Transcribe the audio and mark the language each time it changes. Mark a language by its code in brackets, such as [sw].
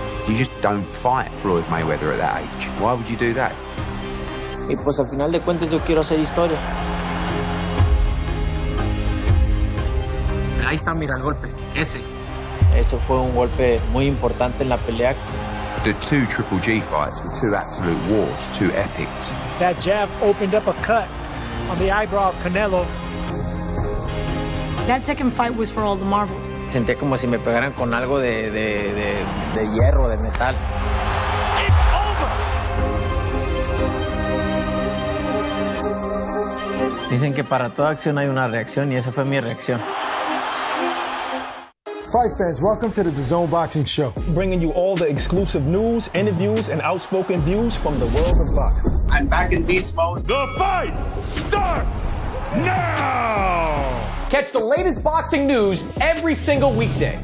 [en] You just don't fight Floyd Mayweather at that age. Why would you do that? [es] Y pues al final de cuentas yo quiero hacer historia. Ahí está, mira el golpe, ese. Ese fue un golpe muy importante en la pelea. [en] The two Triple G fights were two absolute wars, two epics. That jab opened up a cut on the eyebrow of Canelo. That second fight was for all the marbles. [es] Sentía como si me pegaran con algo de hierro, de metal. [en] It's over! [es] Dicen que para toda acción hay una reacción, y esa fue mi reacción. [en] Fight fans, welcome to the DAZN Boxing Show. Bringing you all the exclusive news, interviews, and outspoken views from the world of boxing. I'm back in beast mode. The fight starts now! Catch the latest boxing news every single weekday.